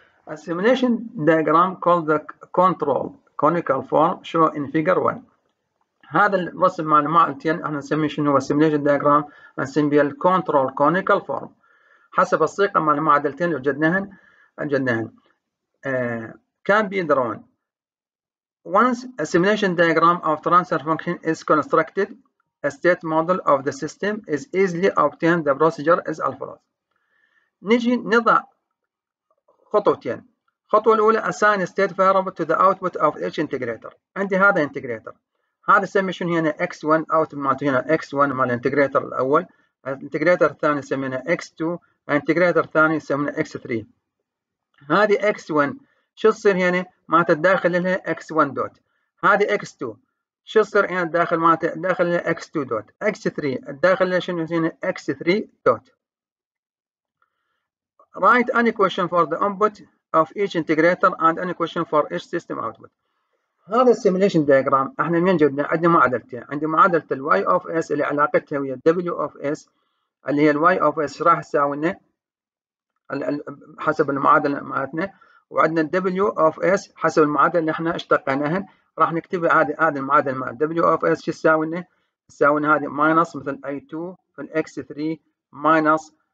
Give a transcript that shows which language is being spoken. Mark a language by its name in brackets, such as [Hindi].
[English] السيميليشن diagram call the control canonical form show in figure 1. [Arabic] هذا الرسم مال المعادلتين احنا نسميه شنو هو السيميليشن دايجرام نسميه الكنترول كونيكال فورم حسب الصيغه مال المعادلتين اللي وجدناهن. كان بي درون [English] once a simulation diagram of transfer function is constructed a state model of the system is easily obtained the procedure is as follows. [Arabic] نجي نضع خطوتين. خطوة الأولى [English] assign state variable to the output of each integrator. [Arabic] عندي هذا integrator هذا سمي شنو هنا x1 out مالته هنا x1 مال integrator الأول integrator الثاني سمينا x2 integrator الثاني سمينا x3. هذه x1 شو تصير هنا ما تداخل لها x1 دوت هذه x2 شو تصير هنا داخل ما تداخل لها x2 دوت x3 الداخل لها شنو هنا x3 دوت. [English] write an equation for the input of each integrator and an equation for each system output. [Arabic] هذا simulation diagram احنا من جبنا عندنا معادلتين عندي معادلة ال y of s اللي علاقتها ويا w of s اللي هي ال y of s راح تساوي لنا حسب المعادلة مالتنا وعندنا W of S حسب المعادلة اللي احنا اشتقناها راح نكتب هذه المعادلة مع W of S شو تساوي لنا؟ تساوي لنا هذه ماينس مثل I2 في الـ X3 ماينس